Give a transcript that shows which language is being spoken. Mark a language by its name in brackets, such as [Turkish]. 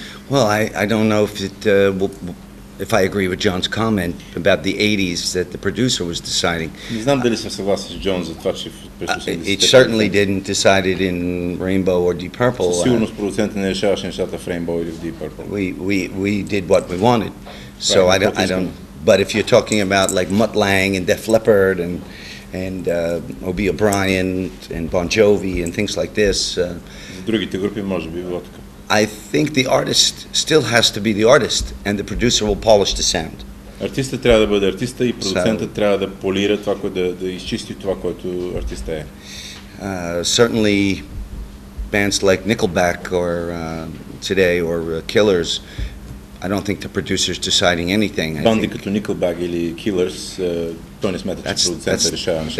[English] Well, I don't know if it if I agree with John's comment about the 80s that the producer was deciding. [Bulgarian] Не знам дали съм съгласен с Джон за това, че [English] It certainly didn't decide it in Rainbow or Deep Purple. [Bulgarian] Сигурно продуцентът не решаваше нещата в Rainbow или в Deep Purple. [English] We did what we wanted. So I don't. But if you're talking about like Mutt Lang and Def Leppard and Obi O'Brien and Bon Jovi and things like this. [Bulgarian] Другите групи може би било така. [English] I think the artist still has to be the artist and the producer will polish the sound. [Bulgarian] Артистът трябва да бъде артиста и продуцентът трябва да полира това, да изчисти това, което артистът е. [English] Certainly bands like Nickelback or Today or Killers, I don't think the producer's deciding anything. [Bulgarian] Банди като Nickelback или Killers, той не смята, че продуцентът решава нещо.